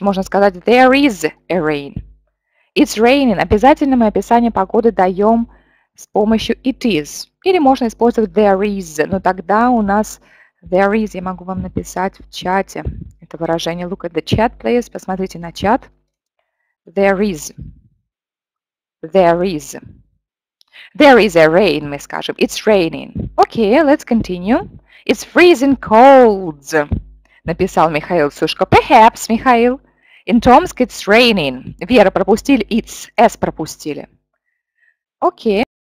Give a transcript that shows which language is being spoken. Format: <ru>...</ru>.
<ru>Можно сказать</ru> <en>there is a rain. It's raining.</en> <ru>Обязательно мы описание погоды даем с помощью</ru> <en>it is.</en> <ru>Или можно использовать</ru> <en>there is.</en> <ru>Но тогда у нас</ru> <en>there is.</en> <ru>Я могу вам написать в чате. Это выражение.</ru> <en>Look at the chat, please.</en> <ru>Посмотрите на чат.</ru> <en>There is. There is. There is a rain,</en> <ru>мы скажем.</ru> <en>It's raining. Okay, let's continue. It's freezing cold,</en> <ru>написал Михаил Сушко.</ru> <en>Perhaps, Михаил. In Tomsk, it's raining.</en> <ru>Вера пропустили.</ru> <en>It's. S</en> <ru>пропустили.</ru> <en>Okay.</en>